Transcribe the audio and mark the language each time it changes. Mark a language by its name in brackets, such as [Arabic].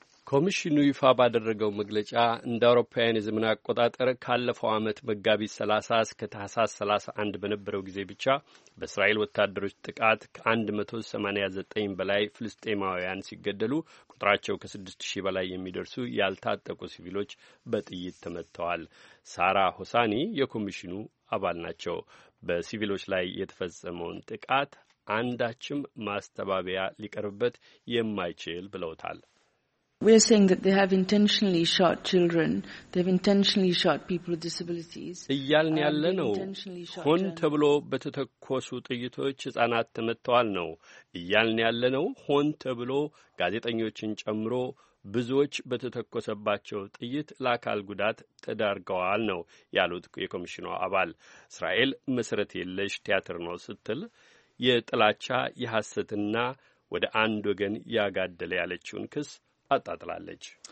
[Amharic] ኮሚሽኑ ይፋ ባደረገው መግለጫ እንደ አውሮፓውያን የዘመን አቆጣጠር ካለፈው ዓመት መጋቢት 30 እስከ ታህሳስ 31 በነበረው ጊዜ ብቻ በእስራኤል ወታደሮች ጥቃት ከ189 በላይ ፍልስጤማውያን ሲገደሉ ቁጥራቸው ከ6000 በላይ የሚደርሱ ያልታጠቁ ሲቪሎች በጥይት ተመትተዋል። ሳራ ሆሳኒ የኮሚሽኑ አባል ናቸው። በሲቪሎች ላይ የተፈጸመውን ጥቃት አንዳችም ማስተባበያ ሊቀርብበት የማይችል ብለውታል። [English] We are saying that they have intentionally shot children. They have intentionally shot people with disabilities. [Amharic] እያልን ያለ ነው ሆን ተብሎ በተተኮሱ ጥይቶች ህጻናት ተመተዋል ነው። እያልን ያለ ነው ሆን ተብሎ ጋዜጠኞችን ጨምሮ ብዙዎች በተተኮሰባቸው ጥይት ለአካል ጉዳት ተዳርገዋል ነው ያሉት የኮሚሽኑ አባል። እስራኤል መሰረት የለሽ ቲያትር ነው ስትል የጥላቻ የሐሰትና ወደ አንድ ወገን ያጋደለ ያለችውን ክስ አጣጥላለች።